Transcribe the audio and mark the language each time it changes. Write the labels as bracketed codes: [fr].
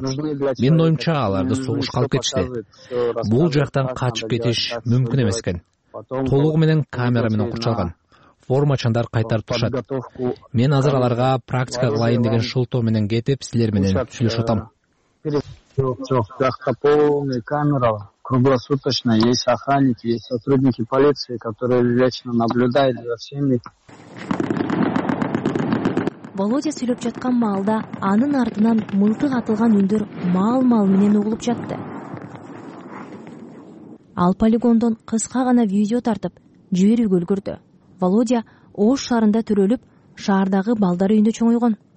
[ky] Менин оюмча аларды согушка алып кетишти. Бул жактан качып кетиш мүмкүн эмес экен. толугу менен камера менен курчалган. Форма чандар кайтарып турушат. Мен азыр аларга практика кылайын деген шылтоо менен кетип, силер менен сүйлөшөтөм. Жок, жакта [ru] полный камера, круглосуточно, есть охранники, есть сотрудники полиции, которые лично наблюдают за всеми. [ky] Володя сүйлөп жаткан маалда анын артынан мылтык атылган үндөр маал-маал менен угулуп жатты. Ал полигондон кыска гана видео тартып, жиберүүгө үлгүрдү. Володя Ош шаарында төрөлүп, шаардагы балдар үйүндө чоңойгон.